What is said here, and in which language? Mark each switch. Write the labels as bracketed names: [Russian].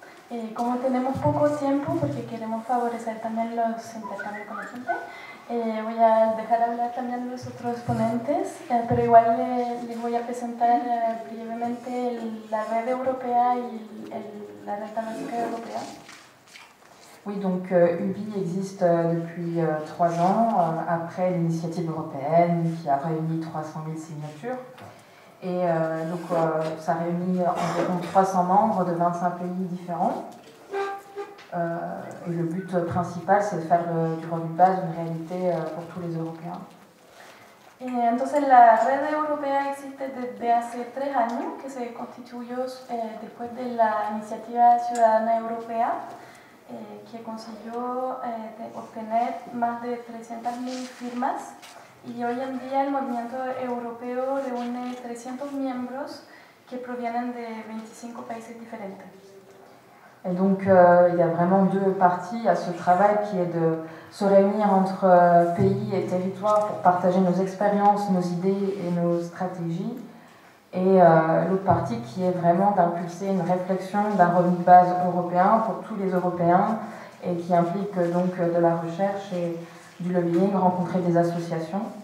[Spanish] Y como tenemos poco tiempo, porque queremos favorecer también los intercambios con la gente, voy a dejar hablar también a los otros ponentes, pero igual les voy a presentar brevemente la red europea y la renta básica europea. [French] Oui, donc UBI existe depuis 3 ans, après l'initiative européenne qui a réuni 300 000 signatures. Et ça réunit environ 300 membres de 25 pays différents. Et le but principal, c'est de faire du revenu de base une réalité pour tous les Européens. Et donc la [Spanish] red [French] européenne existe depuis [Spanish] hace 3 años, que se constituyó después de la iniciativa ciudadana europea, que consiguió obtener más de 300.000 firmas. Y hoy en día el movimiento europeo reúne 300 miembros que provienen de 25 países diferentes. [French] Et donc il y a vraiment 2 parties à ce travail qui est de se réunir entre pays et territoires pour partager nos expériences, nos idées et nos stratégies. Et l'autre partie qui est vraiment d'impulser une réflexion d'un revenu de base européen pour tous les Européens et qui implique donc de la recherche et du lobbying, rencontrer des associations.